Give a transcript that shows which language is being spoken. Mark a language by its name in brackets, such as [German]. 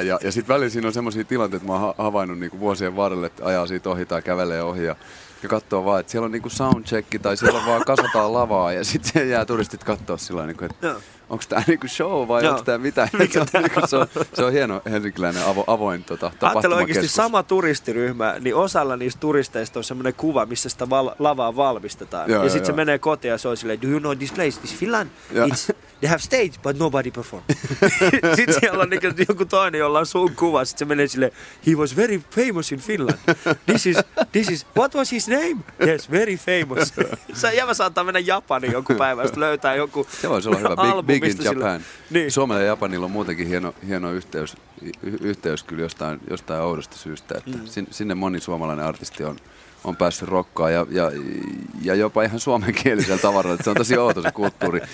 [Finnish] Ja sitten välillä siinä on semmoisia tilanteita, että mä oon havainnut niinku vuosien varrelle, että ajaa siitä ohi tai kävelee ohi ja katsoa vaan, että siellä on niinku soundchecki tai siellä vaan kasataan lavaa ja sitten jää turistit katsoa sillä tavalla, että onko tämä niinku show vai onko tämä mitä. Se on hieno helsinkiläinen avoin tapahtumakeskus. Ajattelin oikeasti sama turistiryhmä, niin osalla niistä turisteista on semmoinen kuva, missä sitä lavaa valmistetaan. Ja sitten se menee kotiin ja se on silleen, [English] do you know this place, this Finland? They have stage, but nobody perform. [Finnish] Sitten siellä on niin joku toinen, jolla on sun kuva. Sitten se menee sille, [English] he was very famous in Finland. This is, what was his name? Yes, very famous. [Finnish] Se jävä saattaa mennä Japaniin joku päivä, sitten löytää joku album. Se voisi olla hyvä, Big in Japan. Niin. Suomella ja Japanilla on muutenkin hieno yhteys kyllä jostain oudosta syystä. Että sinne moni suomalainen artisti on päässyt rokkaan ja jopa ihan suomenkielisellä tavaralla, se on tosi outo se kulttuuri.